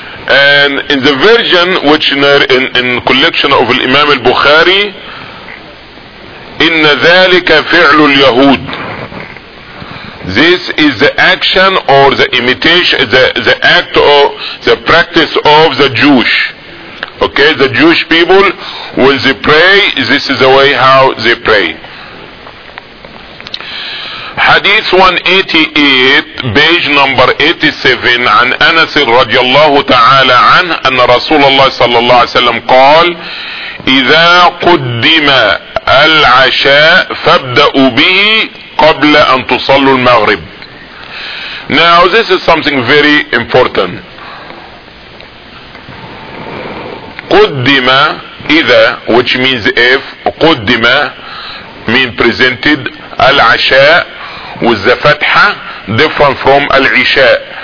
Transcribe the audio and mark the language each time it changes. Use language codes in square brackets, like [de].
[en] And in the version which in collection of Imam al-Bukhari, [ar] إن ذلك فعل اليهود. [en] This is the action or the imitation, the act or the practice of the Jewish. Okay, the Jewish people, when they pray, this is the way how they pray. Hadith 188, page number 87, [ar] عن أنس رضي الله تعالى عنه أن رسول الله صلى الله عليه وسلم قال إذا قدم العشاء فابدأوا به قبل أن تصلوا المغرب. [en] Now this is something very important. [ar] قدم إذا, [en] which means if, قدم mean presented, العشاء with the فتحة different from العشاء.